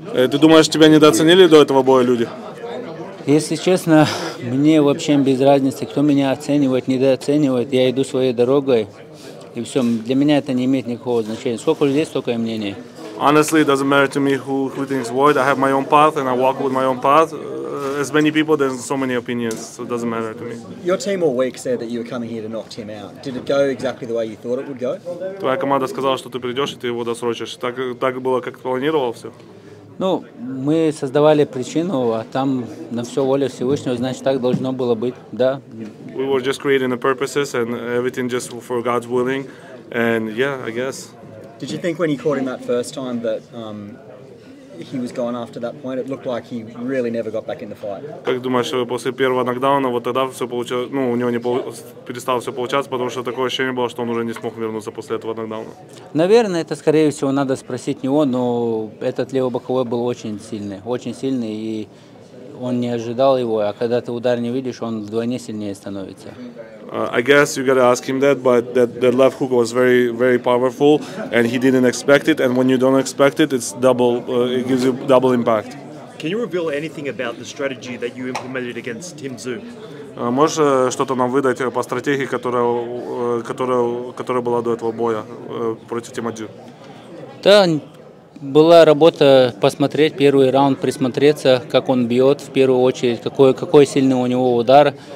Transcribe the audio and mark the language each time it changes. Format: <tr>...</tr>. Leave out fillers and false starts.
<ru>Ты думаешь, тебя недооценили до этого боя люди? Если честно, мне вообще без разницы, кто меня оценивает, недооценивает. Я иду своей дорогой, и все. Для меня это не имеет никакого значения. Сколько людей, столько и мнений.</ru> <en>Honestly, it doesn't matter to me who thinks what. I have my own path, and I walk with my own path. As many people, there's so many opinions, so it doesn't matter to me. Your team all week said that you were coming here to knock Tim out. Did it go exactly the way you thought it would go?</en> <ru>Твоя команда сказала, что ты придешь, и ты его досрочишь. Так было, как планировал все? Ну, мы создавали причину, а там на все воля Всевышнего, значит, так должно было быть, да.</ru> <en>We were just creating the purposes and everything just for God's willing, and yeah, I guess. Did you think when you caught him that first time that he was gone after that point? It looked like he really never got back in the fight.</en> <ru>Как думаешь, после первого нокдауна вот тогда все получилось, ну, у него перестало все получаться, потому что такое ощущение было, что он уже не смог вернуться после этого нокдауна? Наверное, это, скорее всего, надо спросить него, но этот левый боковой был очень сильный, и он не ожидал его, а когда ты удар не видишь, он вдвойне сильнее становится.</ru> <en>I guess you gotta ask him that, but that left hook was very, very powerful, and he didn't expect it. And when you don't expect it, it's double. It gives you double impact. Can you reveal anything about the strategy that you implemented against Tim Zhu?</en> <ru>Можешь что-то нам выдать по стратегии, которая была до этого боя против Тима Цзю? Да, была работа посмотреть первый раунд, присмотреться, как он бьет в первую очередь, какой сильный у него удар.</ru>